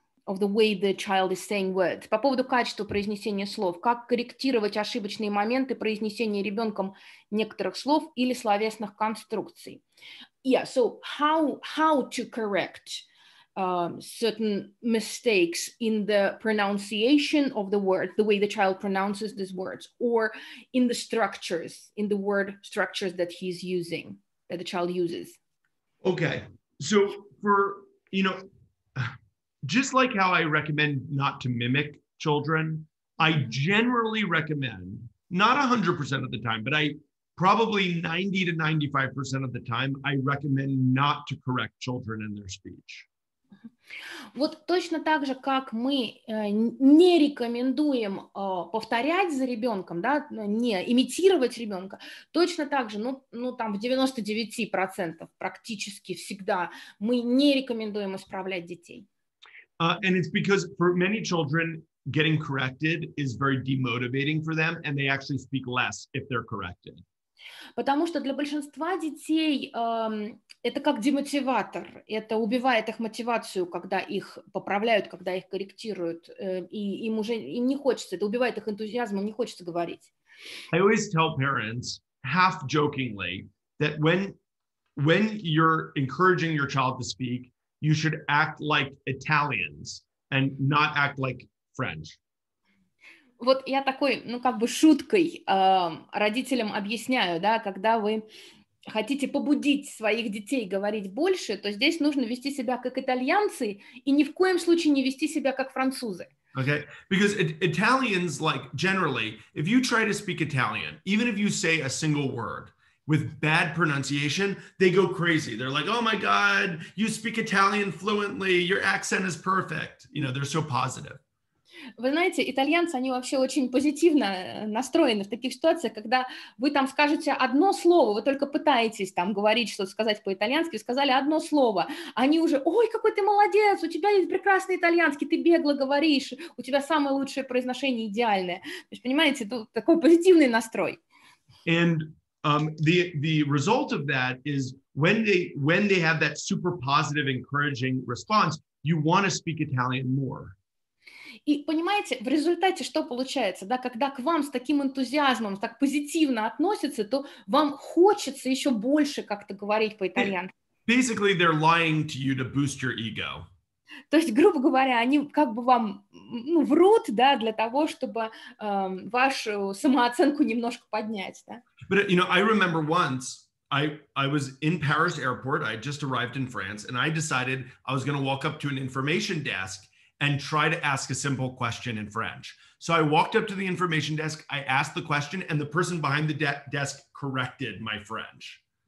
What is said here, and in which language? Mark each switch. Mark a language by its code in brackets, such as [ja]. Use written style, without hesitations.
[en] of the way the child is saying words. [ru] По поводу качества произнесения слов, как корректировать ошибочные моменты произнесения ребенком некоторых слов или словесных конструкций. [en] Yeah, so how to correct certain mistakes in the pronunciation of the word, the way the child pronounces these words, or in the structures, in the word structures that he's using, that the child uses. Okay, so for, you know, just like how I recommend not to mimic children, I generally recommend, not 100% of the time, but I probably 90 to 95% of the time, I recommend not to correct children in their speech. [ru] Вот точно так же, как мы не рекомендуем повторять за ребенком, да, не имитировать ребенка, точно так же, ну там в 99% практически всегда мы не рекомендуем исправлять детей. [en] And it's because for many children, getting corrected is very demotivating for them, and they actually speak less if they're corrected. [ru] Потому что для большинства детей это как демотиватор, это убивает их мотивацию, когда их поправляют, когда их корректируют, и им уже им не хочется, это убивает их энтузиазм, им не хочется говорить. [en] I always tell parents, half jokingly, that when you're encouraging your child to speak, you should act like Italians and not act like French. [ru] Вот я такой, ну как бы шуткой родителям объясняю, да, когда вы хотите побудить своих детей говорить больше, то здесь нужно вести себя как итальянцы и ни в коем случае не вести себя как французы. [en] Okay, because Italians, like, generally, if you try to speak Italian, even if you say a single word with bad pronunciation, they go crazy. They're like, oh my God, you speak Italian fluently, your accent is perfect. You know, they're so positive. [ru] Вы знаете, итальянцы, они вообще очень позитивно настроены в таких ситуациях, когда вы там скажете одно слово, вы только пытаетесь там говорить что-то, сказать по-итальянски, сказали одно слово, они уже, ой, какой ты молодец, у тебя есть прекрасный итальянский, ты бегло говоришь, у тебя самое лучшее произношение, идеальное. То есть, понимаете, тут такой позитивный настрой. [en] And the result of that is when they have that super positive encouraging response, you want to speak Italian more. [ru] И понимаете, в результате что получается, да, когда к вам с таким энтузиазмом, так позитивно относятся, то вам хочется еще больше как-то говорить по-итальянски. [en] Basically, they're lying to you to boost your ego. [ru] То есть, грубо говоря, они как бы вам, ну, врут, да, для того, чтобы вашу самооценку немножко поднять, да. [en] But, you know, I remember once, I was in Paris airport, I just arrived in France, and I decided I was going to walk up to an information desk and try to ask a simple question in French. So I walked up to the information desk, I asked the question, and the person behind the desk corrected my French.